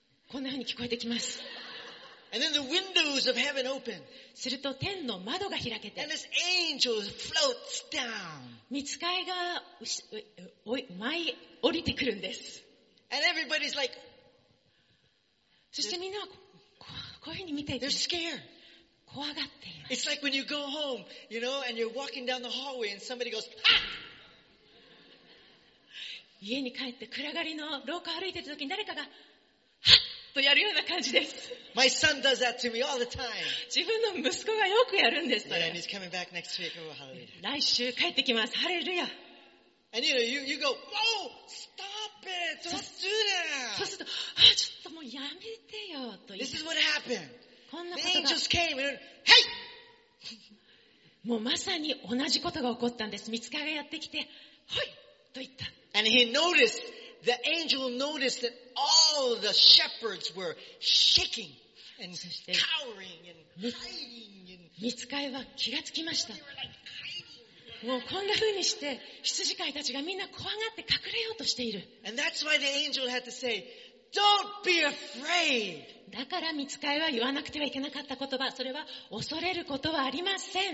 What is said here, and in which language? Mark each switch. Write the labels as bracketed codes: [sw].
[ja] こんな風に聞こえてきます。 [en] And then the windows of heaven open. [ja] すると天の窓が開けて。 [en] And this angel floats down. [ja] 御使いが舞い降りてくるんです。 [en] And everybody's like. [ja] そしてみんなはこういうふうに見ていて、 [en] They're scared. [ja] 怖がっています。 [en] It's like when you go home, you know, and you're walking down the hallway and somebody goes, ah! [ja] 家に帰って暗がりの廊下歩いてるときに誰かが、はっとやるような感じです。 [en] My son does that to me all the time. [ja] 自分の息子がよくやるんです。 [en] Yeah, and he's coming back next week. Oh, hallelujah. [ja] 来週帰ってきます。ハレルヤ。 [en] And you know, you go, whoa, stop! [ja] べえ、どうするそうすると、あ、ちょっともうやめてよ、と言って。 [en] This is what happened. [ja] こんなことが。 [en] The angels came and, hey! [ja] もうまさに同じことが起こったんです。御使いがやってきて、はい、と言った。 [en] And he noticed, the angel noticed that all the shepherds were shaking and cowering and hiding. [ja] 御使いは気がつきました。もうこんな風にして羊飼いたちがみんな怖がって隠れようとしている。 [en] And that's why the angel had to say, "Don't be afraid." [ja] だから御使いは言わなくてはいけなかった言葉、それは恐れることはありません。